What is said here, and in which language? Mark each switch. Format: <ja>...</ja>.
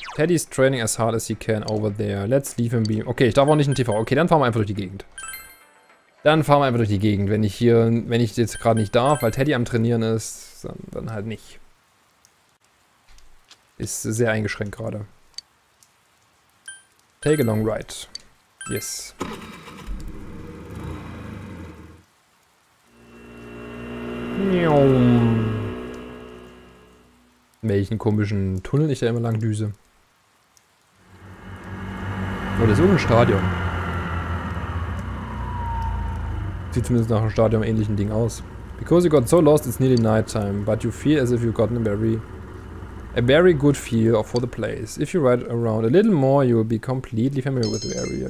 <en>Teddy's training as hard as he can over there. Let's leave him be.</en> <de>Okay, ich darf auch nicht in TV. Okay, dann fahren wir einfach durch die Gegend. Dann fahren wir einfach durch die Gegend. Wenn ich hier, wenn ich jetzt gerade nicht darf, weil Teddy am Trainieren ist, dann halt nicht. Ist sehr eingeschränkt gerade.</de> <en>Take a long ride. Yes. Miau.</en> <de>Welchen komischen Tunnel ich da immer lang düse. Oh, das ist irgendein Stadion. Sieht zumindest nach einem Stadion ähnlichen Ding aus.</de> <en>Because you got so lost, it's nearly night time. But you feel as if you've gotten a very good feel for the place. If you ride around a little more, you will be completely familiar with the area.</en>